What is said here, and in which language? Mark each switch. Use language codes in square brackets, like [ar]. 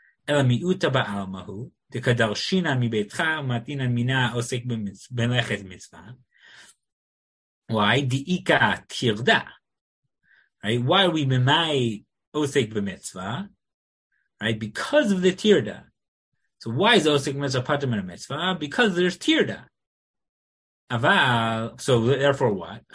[arc] אלא מיעוטה בעלמא הוא, דקדרשינה מביתך, ומתינה מינה עוסק במלאכת מצווה. [en] Why? [arc] דאיקה תרדה. [en] Right? Why are we ממאי עוסק במצווה? Right? Because of the תרדה. So why is עוסק במצווה פטור מן המצווה? Because there's תרדה. אבל, so therefore what?